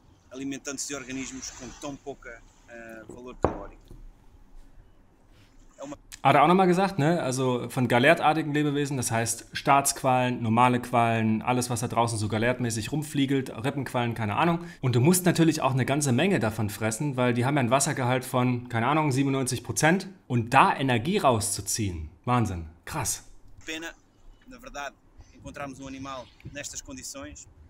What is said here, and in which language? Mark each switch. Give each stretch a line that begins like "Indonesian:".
Portuguese: Alimentando-se de organismos com tão pouca valor calórico.
German: Hat er auch nochmal gesagt, ne? Also von galertartigen Lebewesen, das heißt Staatsquallen, normale Quallen, alles, was da draußen so galertmäßig rumfliegelt, Rippenquallen, keine Ahnung. Und du musst natürlich auch eine ganze Menge davon fressen, weil die haben ja ein Wassergehalt von, keine Ahnung, 97%. Und da Energie rauszuziehen, Wahnsinn, krass.
Portuguese: Pena, na verdade, encontrarmos um animal nestas condições.